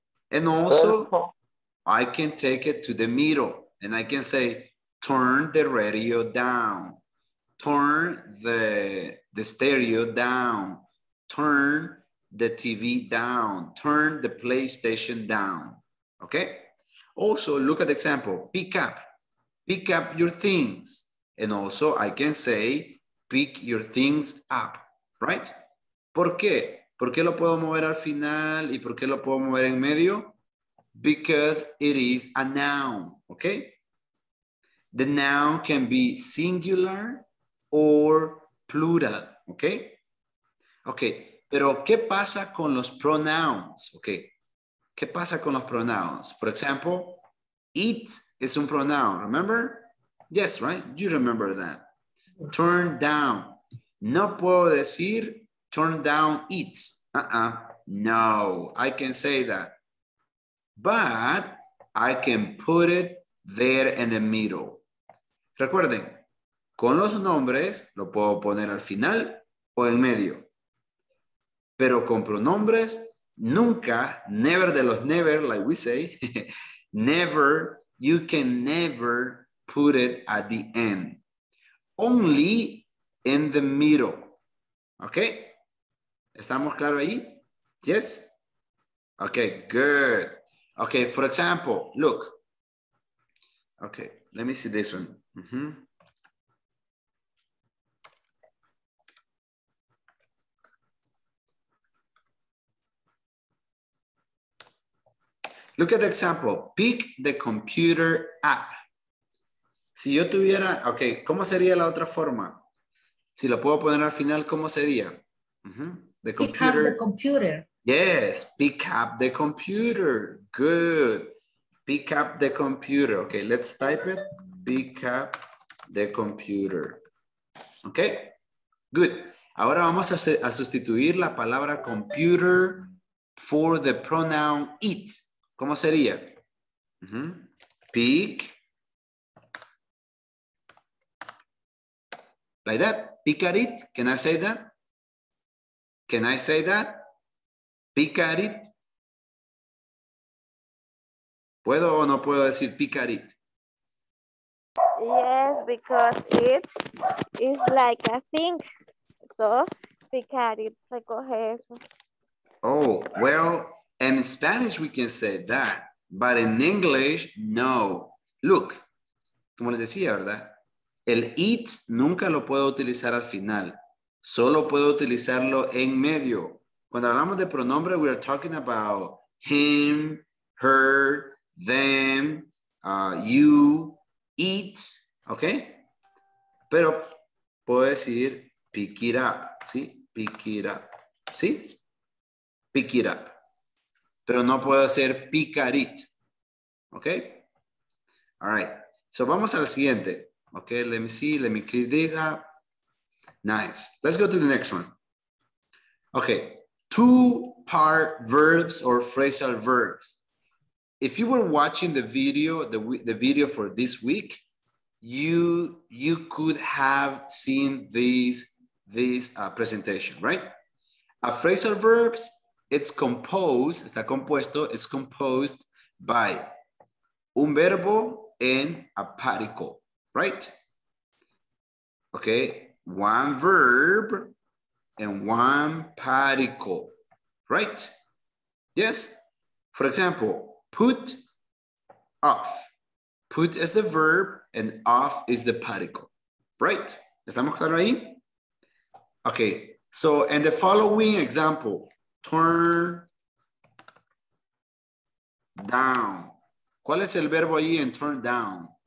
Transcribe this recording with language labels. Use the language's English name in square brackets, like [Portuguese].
[English] And also, I can take it to the middle and I can say, turn the radio down, turn the stereo down, turn the TV down, turn the PlayStation down, okay? Also, look at the example, pick up your things. And also I can say, pick your things up, right? [Spanish] ¿Por qué? ¿Por qué lo puedo mover al final y por qué lo puedo mover en medio? [English] Because it is a noun, okay? The noun can be singular or plural, okay? [Spanish] Okay, pero ¿qué pasa con los pronouns? [English] Okay, [Spanish] ¿qué pasa con los [English] pronouns? For example, it is [Spanish] un [English] pronoun, remember? Yes, right? You remember that. Turn down. [Spanish] No puedo decir [English] turn down it. No, I can say that. But I can put it there in the middle. [Spanish] Recuerden, con los nombres lo puedo poner al final o en medio. Pero con pronombres, nunca, [English] never [Spanish] de los [English] never, like we say, never, you can never put it at the end. Only in the middle. Okay? [Spanish] ¿Estamos claros ahí? [English] Yes? Okay, good. Okay, for example, look. Okay, let me see this one. Mm-hmm. Look at the example, pick the computer up. [Spanish] Si yo tuviera, okay, ¿cómo sería la otra forma? Si lo puedo poner al final, ¿cómo sería? [English] Mm-hmm. The computer. Pick up the computer. Yes, pick up the computer. Good. Pick up the computer. Okay, let's type it. Pick up the computer. Okay, good. [Spanish] Ahora vamos a sustituir la palabra [English] computer for the pronoun it. [Spanish] ¿Cómo sería? [English] Mm-hmm. Pick. Like that. Pick at it. Can I say that? Can I say that? Pick at it. [Spanish] ¿Puedo o no puedo decir pick at it? [English] Yes, because it is like a thing. So, pick at it. [Spanish] Recoge eso. [English] Oh, well, in Spanish we can say that. But in English, no. Look, [Spanish] como les decía, ¿verdad? El it nunca lo puedo utilizar al final. Solo puedo utilizarlo en medio. Cuando hablamos de pronombre, [English] we are talking about him, her, them, you, it, okay? [Spanish] Pero puedo decir [English] pick it up, [Spanish] ¿sí? [English] Pick it up, [Spanish] ¿sí? [English] Pick it up. [Spanish] Pero no puedo hacer [English] pick at it, [Spanish] okay? [English] All right, so [Spanish] vamos al siguiente. [English] Okay, let me see, let me clear this up. Nice, let's go to the next one. Okay. two-part verbs or phrasal verbs. If you were watching the video, the video for this week, you could have seen this presentation, right? A phrasal verb, it's composed by [Spanish] un verbo [English] and a particle, right? Okay, one verb and one particle, right? Yes? For example, put off. Put is the verb and off is the particle, right? [Spanish] ¿Estamos claros ahí? [English] Okay, so in the following example, turn down. [Spanish] ¿Cuál es el verbo ahí en [English] turn down?